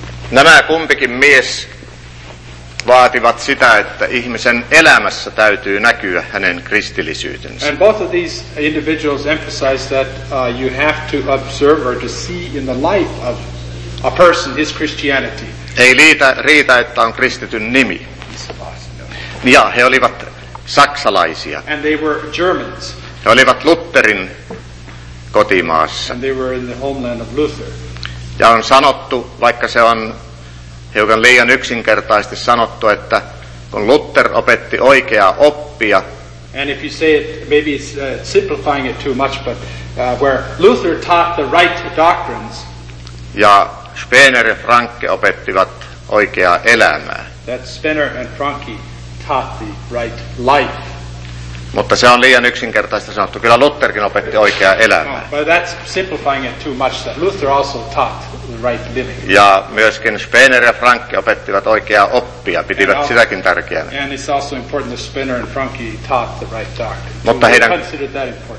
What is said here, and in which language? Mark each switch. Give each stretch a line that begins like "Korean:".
Finnish: nämä kumpikin mies vaativat sitä, että ihmisen elämässä täytyy näkyä hänen kristillisyytensä.
English: And both of these individuals emphasize that you have to observe or to see in the life of a person his Christianity.
Finnish: Ei riitä, että on kristityn nimi. Ja he olivat saksalaisia.
English: And they were Germans.
Finnish: He olivat Lutherin kotimaassa.
English: And they were in the homeland of Luther.
Finnish: Ja on sanottu, vaikka se on hiukan liian yksinkertaisesti sanottu, että kun Luther opetti oikeaa oppia.
English: And if you say it, maybe it's simplifying it too much, but where Luther taught the right doctrines.
Finnish: Ja Spener ja Francke opettivat oikeaa elämää.
English: That Spener and Francke taught the right life.
Finnish: Mutta se on liian yksinkertaista sanottu. Kyllä Lutherkin opetti oikeaa elämää.
English: But that's simplifying it too much, that Luther also taught the right living.
Finnish: Ja myöskin Spener ja Francke opettivat oikeaa oppia, pitivät sitäkin tärkeänä.
English: And it's also important that Spener and Francke taught the right doctrine.